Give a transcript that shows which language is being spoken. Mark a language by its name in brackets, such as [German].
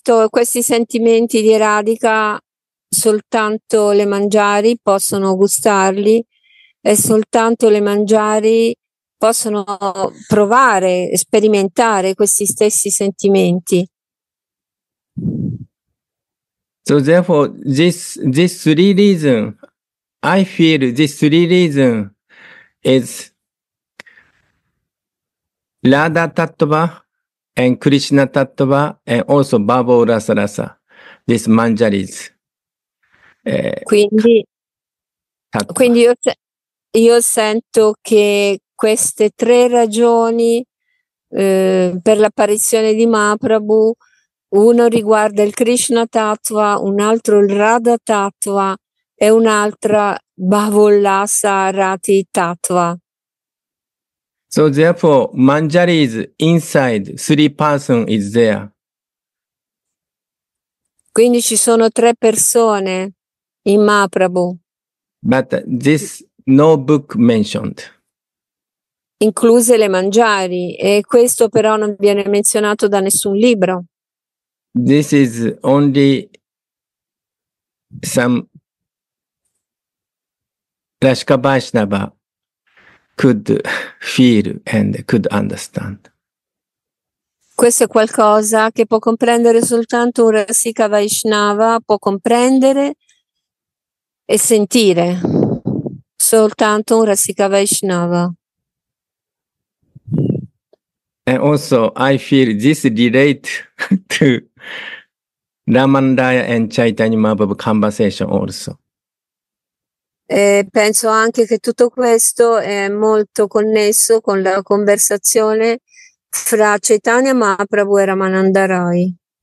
[Italian] Questi sentimenti di Radhika soltanto le Manjari possono gustarli, e soltanto le Manjari possono provare, sperimentare questi stessi sentimenti. [English] So therefore, this three reason, I feel this three reason is Radha Tattva and Krishna Tattva and also Baba Urasa Rasa, this Manjari's. [Italian] Quindi io sento che queste tre ragioni per l'apparizione di Mahaprabhu. Uno riguarda il Krishna Tattva, un altro il Radha Tattva e un'altra Bhavolasa Rati Tattva. [English] So therefore Manjari is inside, three persons is there. [Italian] Quindi ci sono tre persone in Mahaprabhu. [English] But this no book mentioned. [Italian] Incluse le Manjari, e questo però non viene menzionato da nessun libro. [English] This is only some Rashka Vaishnava could feel and could understand. [Italian] Questo è qualcosa che può comprendere soltanto un Rashka Vaishnava, può comprendere e sentire soltanto un Rashka Vaishnava. [English] And also I feel this relate to Ramandaya and Chaitanya Mahaprabhu conversation also. [Italian] Penso anche che tutto questo è molto connesso con la conversazione fra Chaitanya Mahaprabhu e Ramananda Rai.